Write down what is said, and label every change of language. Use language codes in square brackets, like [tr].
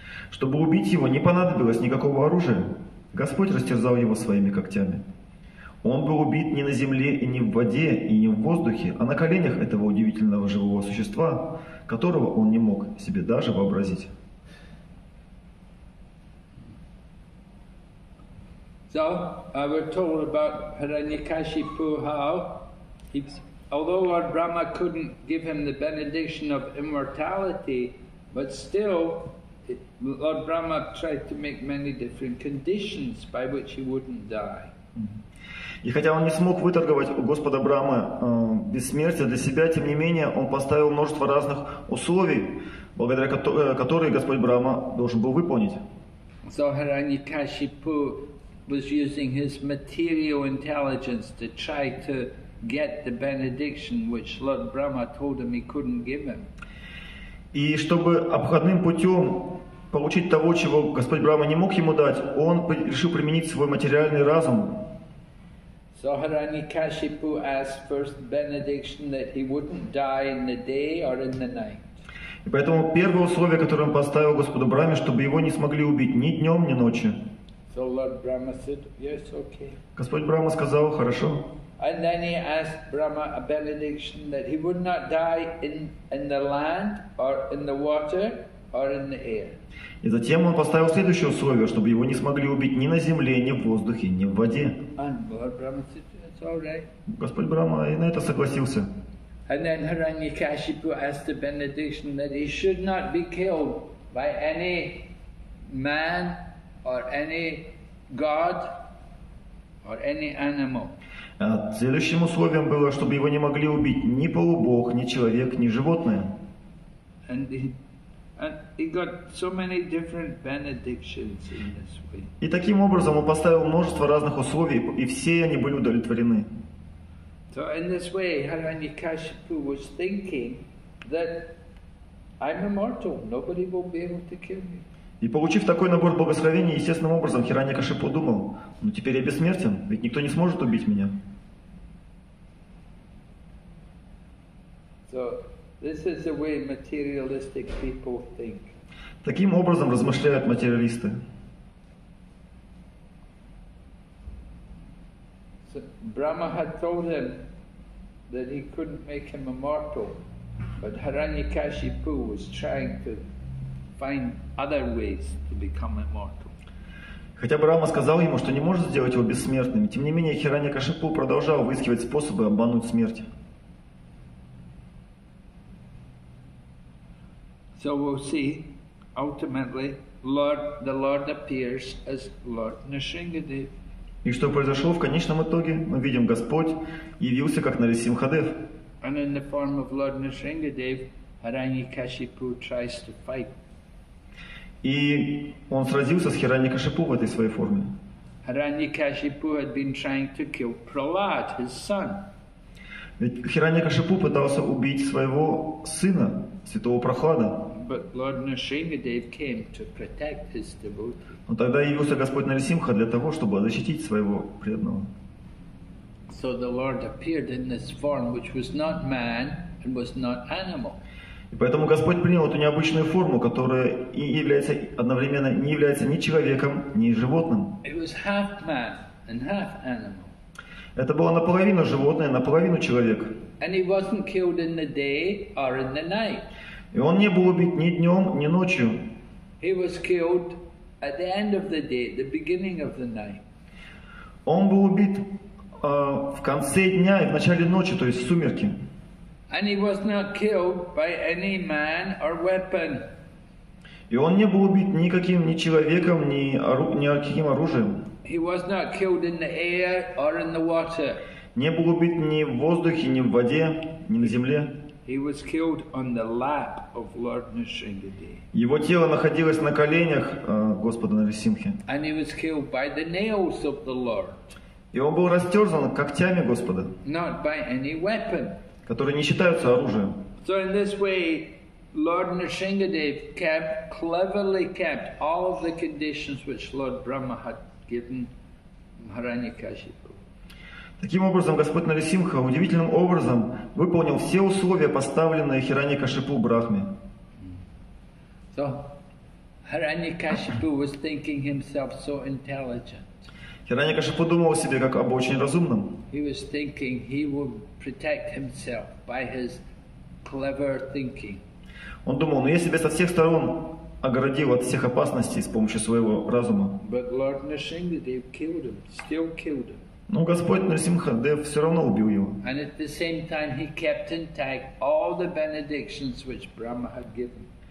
[ru] Чтобы убить его, не понадобилось никакого оружия. Господь растерзал его своими когтями. Он был убит не на земле и не в воде и не в воздухе, а на коленях этого удивительного живого существа, которого он не мог себе даже вообразить. [en] So, I was told about Hiranyakashipu how, although Lord Brahma couldn't give him the benediction of immortality, but still, Lord Brahma tried to make many different conditions by which he wouldn't die. [ru] И хотя он не смог выторговать у Господа Брахмы бессмертие для себя, тем не менее, он поставил множество разных условий, благодаря которым Господь Брахма должен был выполнить. [en] So, Hiranyakashipu was using his material intelligence to try to get the benediction which Lord Brahma told him he couldn't give him. [ru] И чтобы обходным путем получить того, чего Господь Брахма не мог ему дать, он решил применить свой материальный разум. [en] So Hiranyakashipu asked first benediction that he wouldn't die in the day or in the night. [ru] И поэтому первое условие, которое он поставил Господу Брахме, чтобы его не смогли убить ни днем, ни ночью. [en] So Lord Brahma said, yes, okay. [ru] Господь Брахма сказал, хорошо. [en] And then he asked Brahma a benediction that he would not die in the land or in the water or in the air. [ru] И затем он поставил следующее условие, чтобы его не смогли убить ни на земле, ни в воздухе, ни в воде. [en] And Lord Brahma said, it's all right. [ru] Господь Брахма и на это согласился. [en] And then Hiranyakashipu asked a benediction that he should not be killed by any man or any god or any animal. [ru] Следующим условием было, чтобы его не могли убить ни полубог, ни человек, ни животное. [en] And he got so many different benedictions in this way. [ru] И таким образом он поставил множество разных условий, и все они были удовлетворены. [en] So in this way Hiranyakashipu was thinking that I'm immortal, nobody will be able to kill me. [ru] И получив такой набор благословений, естественным образом Хиранья-Кашипу думал, ну теперь я бессмертен, ведь никто не сможет убить меня. [en] So, This is the way materialistic people think. [ru] Таким образом размышляют материалисты. [en] So, Brahma had told him that he couldn't make him immortal, but Hiranyakashipu was trying to find other ways to become immortal. [ru] Хотя Брама сказал ему, что не может сделать его бессмертным, тем не менее Хиранья-Кашипу продолжал выискивать способы обмануть смерть. [en] So we'll see, ultimately, the Lord appears as Lord Nrisimhadev. [ru] И что произошло в конечном итоге? Мы видим, Господь явился как Нарисимхадев. [en] And in the form of Lord Nrisimhadev, Hiranyakashipu tries to fight. [ru] И он сразился с Хираньякашипу в этой своей форме. [en] Хираньякашипу had been trying to kill Prahlad, his son. [ru] Ведь Хираньякашипу пытался убить своего сына, святого Прохлада. [en] But Lord Nrisimhadev came to protect his devotee. [ru] Но тогда явился Господь Нарисимха для того, чтобы защитить своего преданного. [en] So the Lord appeared in this form, which was not man and was not animal. [ru] И поэтому Господь принял эту необычную форму, которая и является одновременно не является ни человеком, ни животным. [en] It was half man and half animal. [ru] Это было наполовину животное, наполовину человек. [en] And he wasn't killed in the day or in the night. [ru] И он не был убит ни днем, ни ночью. [en] He was killed at the end of the day, the beginning of the night. [ru] Он был убит в конце дня и в начале ночи, то есть в сумерки. [en] And he was not killed by any man or weapon. [ru] И он не был убит никаким ни человеком, ни каким оружием. [en] He was not killed in the air or in the water. [ru] Не был убит ни в воздухе, ни в воде, ни на земле. [en] He was killed on the lap of Lord Nrisimhadev. [ru] Его тело находилось на коленях Господа Нарисимхи. [en] And he was killed by the nails of the Lord. [ru] И он был растерзан когтями Господа. [en] Not by any weapon. [ru] Которые не считаются оружием. [en] So in this way, Lord Nrisimhadev cleverly kept all of the conditions which Lord Brahma had given Hiranyakashipu. [ru] Таким образом, Господь Нарисимха удивительным образом выполнил все условия, поставленные Хиранья-Кашипу Брахме. [en] So Hiranyakashipu was thinking himself so intelligent. [ru] Хиранья-Кашипу думал о себе как об очень разумном. [en] He was thinking he would protect himself by his clever thinking. [ru] Он думал, но я себя со всех сторон огородил от всех опасностей с помощью своего разума. [en] But Lord Nrisimhadev killed him, still killed him. [ru] Но Господь Нрисимхадев все равно убил его. [en] And at the same time he kept intact all the benedictions which Brahma had given.